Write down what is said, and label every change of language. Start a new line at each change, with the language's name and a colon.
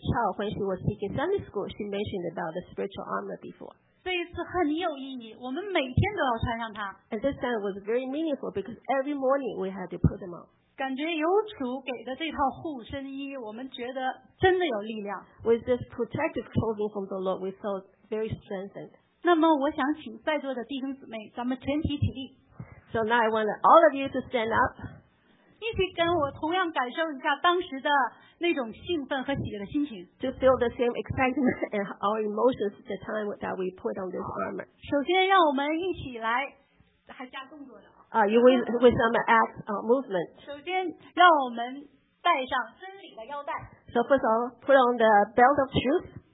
English: Chow when she was teaching Sunday school, she mentioned about the spiritual armor before.
Chinese: 这一次很有意义，我们每天都要穿上它。
English: And this time was very meaningful because every morning we had to put them on.
Chinese: 感觉有主给的这套护身衣，我们觉得真的有力量。
English: With this protective clothing from the Lord, we felt very strengthened.
Chinese: 那么我想请在座的弟兄姊妹，咱们全体起立。
English: So now I want all of you to stand up.
Chinese: 一起跟我同样感受一下当时的那种兴奋和喜悦的心情。
English: To feel the same excitement and our emotions at the time that we put on this armor.
Chinese: 首先让我们一起来，还加动作的。
English: With some act movement.
Chinese: 首先让我们带上真理的腰带。
English: So first of all, put on the belt of truth.